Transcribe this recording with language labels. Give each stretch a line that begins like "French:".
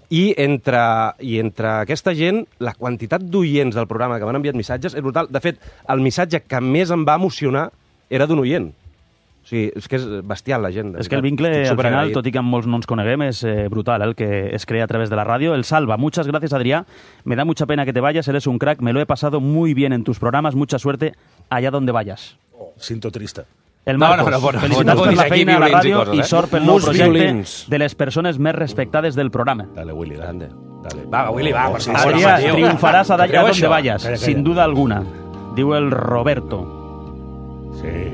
Catalan: I entre aquesta gent, la quantitat d'oients del programa que m'han enviat missatges és brutal. De fet, el missatge que més em va emocionar era d'un oient. Sí, és que és bestial, la gent. És que el vincle, al final, tot i que amb molts no ens coneguem, és brutal, el que es crea a través de la ràdio.
Spanish: El Salva, muchas gracias, Adrià. Me da mucha pena que te vayas, eres un crack. Me lo he pasado muy bien en tus programas. Mucha suerte allá donde vayas. Siento triste.
Catalan: El Marcos, felicitats per la feina a la ràdio i sort pel nou projecte de les persones més respectades del programa.
Spanish: Dale, Willy, grande.
Catalan: Va, Willy, va.
Spanish: Adrià,
Catalan: triomfaràs allà
Spanish: donde vayas, sin duda alguna.
Catalan: Diu el Roberto. Sí.